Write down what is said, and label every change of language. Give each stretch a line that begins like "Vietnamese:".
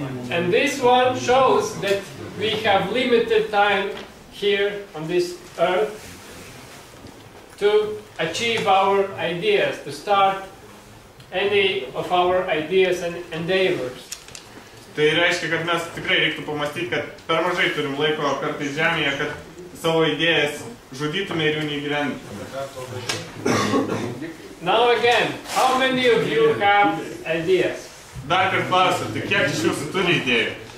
English: And this one shows that we have limited time here on this earth to achieve our ideas, to start any of our ideas and endeavors.
Lithuanian: Tai reiškia, kad mes tikrai reiktų pamastyti, kad per mažai turim laiko kartais žemėje, kad savo idėjas žudytume ir jų neįgyvendytume.
English: Now again, how many of you have ideas?
Lithuanian: Dar kartą klausiu, tai kiek iš jūsų turi idėjų?